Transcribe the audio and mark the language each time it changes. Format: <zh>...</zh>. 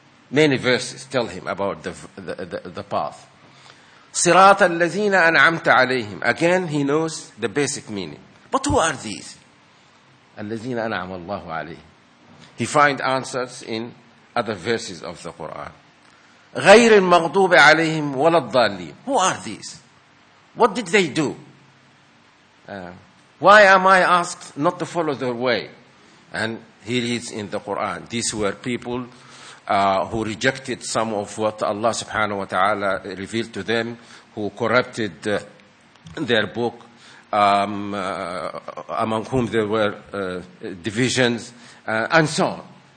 <en>Many verses tell him about the path.</en> <ar>Sirat al-lazina an'amta alayhim.</ar> <en>Again, he knows the basic meaning. But who are these?</en> <ar>Al-lazina an'am Allahu alayhim.</ar> <en>He finds answers in other verses of the Quran.</en> <ar>غير المغضوب عليهم ولا الضالين.</ar> <en>Who are these? What did they do? Why am I asked not to follow their way? And he reads in the Quran, these were people who rejected some of what Allah subhanahu wa ta'ala revealed to them, who corrupted their book, among whom there were divisions, and so on.</en>